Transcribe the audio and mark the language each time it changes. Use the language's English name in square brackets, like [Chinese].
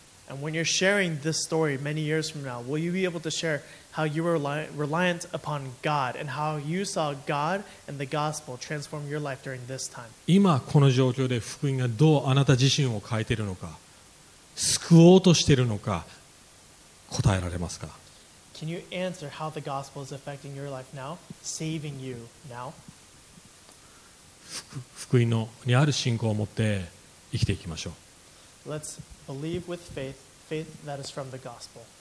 [English] And when you're sharing this story many years from now, will you be able to share how you were reliant upon God and how you saw God and the gospel transform your life during this time? [Japanese] 今この状況で福音がどうあなた自身を変えているのか、救おうとしているのか、答えられますか? [English] Can you answer how the gospel is affecting your life now, saving you now? [Japanese] 福音のにある信仰を持って生きていきましょう。 [English] Let's believe with faith, faith that is from the gospel.